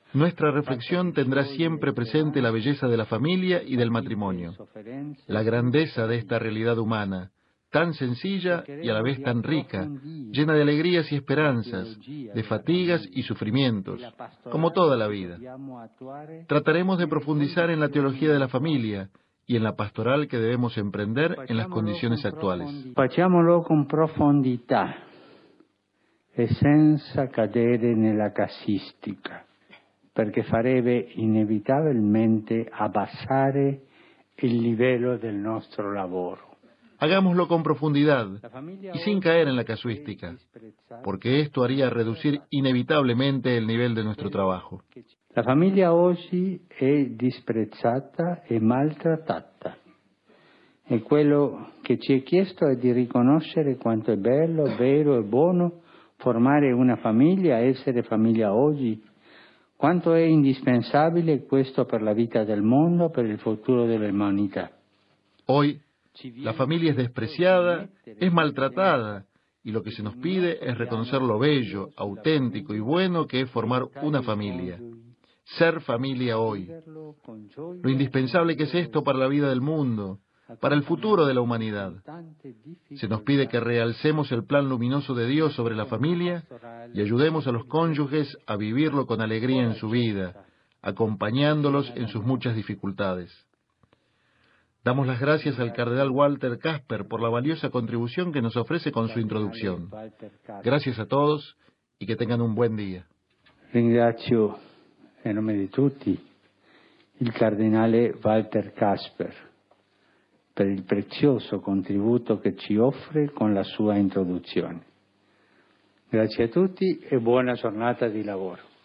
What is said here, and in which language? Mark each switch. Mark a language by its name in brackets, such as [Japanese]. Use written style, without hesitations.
[Spanish] Nuestra reflexión tendrá siempre presente la belleza de la familia y del matrimonio, la grandeza de esta realidad humana, tan sencilla y a la vez tan rica, llena de alegrías y esperanzas, de fatigas y sufrimientos, como toda la vida. Trataremos de profundizar en la teología de la familia y en la pastoral que debemos emprender en las condiciones actuales. [Italian] Facciamolo con profondità e senza cadere nella casistica, perché farebbe inevitabilmente abbassare il livello del nostro lavoro. [Spanish] Hagámoslo con profundidad y sin caer en la casuística, porque esto haría reducir inevitablemente el nivel de nuestro trabajo. [Italian] La familia oggi è disprezzata e maltrattata. E quello che ci è chiesto è di riconoscere quanto è bello, vero e buono formare una famiglia, essere famiglia oggi, quanto è indispensabile questo per la vita del mondo, per il futuro dell'umanità. [Spanish] Hoy la familia es despreciada, es maltratada, y lo que se nos pide es reconocer lo bello, auténtico y bueno que es formar una familia. Ser familia hoy. Lo indispensable que es esto para la vida del mundo, para el futuro de la humanidad. Se nos pide que realcemos el plan luminoso de Dios sobre la familia y ayudemos a los cónyuges a vivirlo con alegría en su vida, acompañándolos en sus muchas dificultades. Damos las gracias al cardenal Walter Kasper por la valiosa contribución que nos ofrece con su introducción. Gracias a todos y que tengan un buen día. [Italian] Ringrazio [Spanish] en nombre de [Italian] tutti il cardenale Walter Kasper per il prezioso contributo che ci offre con la sua introduzione. Grazie a tutti e buona giornata di lavoro.